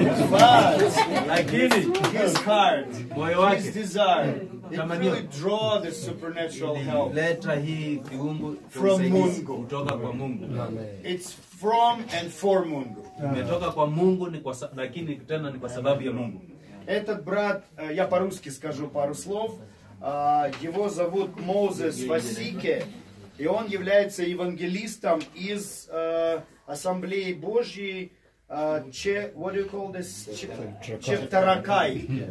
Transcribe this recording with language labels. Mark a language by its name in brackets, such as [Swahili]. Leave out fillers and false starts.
[English] But like his heart, his desire, it will draw the supernatural help from Mungu. Amen. It's from and for Mungu. [Swahili] Umetoka kwa Mungu, lakini tena ni kwa sababu ya Mungu. [Russian] Этот брат, я по-русски скажу пару слов. Его зовут Moses Wasike, и он является евангелистом из Ассамблеи Божьей. [English] What do you call this? Чептаракай.